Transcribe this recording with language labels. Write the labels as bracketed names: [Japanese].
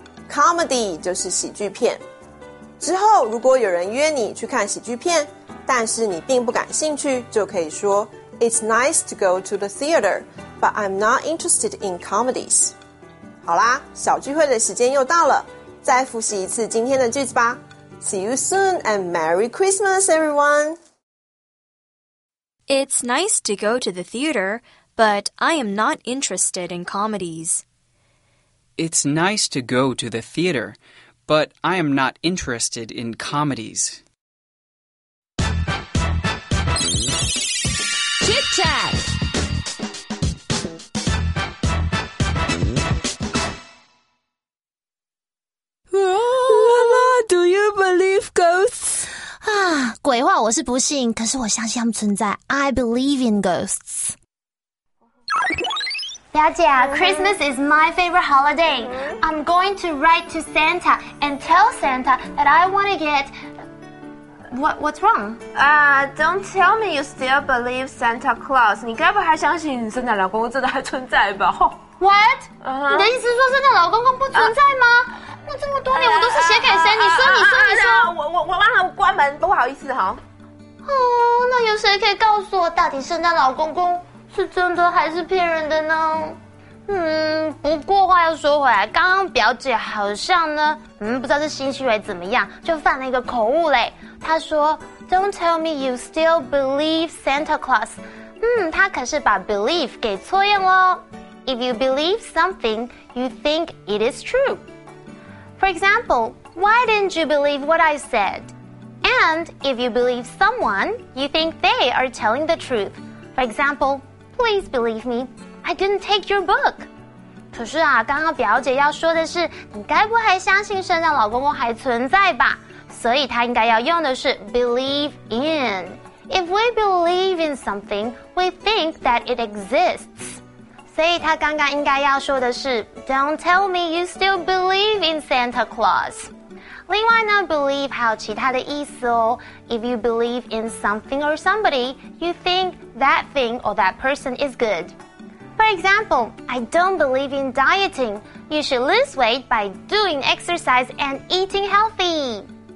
[Chinese] Comedy 就是喜剧片。之后如果有人约你去看喜剧片，但是你并不感兴趣，就可以说 [English] It's nice to go to the theater. But I'm not interested in comedies. [Chinese] 好啦，小聚会的时间又到了，再复习一次今天的句子吧。 [English] See you soon and Merry Christmas, everyone! It's nice to go to the theater, but I am not interested in comedies. It's nice to go to the theater, but I am not interested in comedies. Chit chat! [Chinese] 鬼话我是不信，可是我相信他们存在。 [English] I believe in ghosts. [Chinese] 表姐啊 [English] ，Christmas is my favorite holiday. I'm going to write to Santa and tell Santa that I want to get. What's wrong? Don't tell me you still believe Santa Claus. [Chinese] 你该不还相信你圣诞老公公真的还存在吧？ [English] What?、 [Chinese] Uh-huh. 你的意思是说圣诞老公公不存在吗？那这么多年我都是写给谁？你说，我忘了关门，不好意思哈。哦，那有谁可以告诉我，到底圣诞老公公是真的还是骗人的呢？嗯，不过话又说回来，刚刚表姐好像呢，不知道是心虚还怎么样，就犯了一个口误嘞。她说 [English] ，Don't tell me you still believe Santa Claus。 [Chinese] 她可是把 believe 给错用喽。 [English] If you believe something, you think it is true. For example, why didn't you believe what I said? And if you believe someone, you think they are telling the truth. For example, please believe me, I didn't take your book. [Chinese] 可是啊，刚刚表姐要说的是，你该不还相信圣诞老公公还存在吧？所以她应该要用的是 believe in. [English] If we believe in something, we think that it exists. [Chinese] 所以他刚刚应该要说的是 [English] Don't tell me you still believe in Santa Claus [Chinese] 另外呢 [English] Believe [Chinese] 还有其他的意思哦 [English] If you believe in something or somebody You think that thing or that person is good For example I don't believe in dieting You should lose weight by doing exercise and eating healthy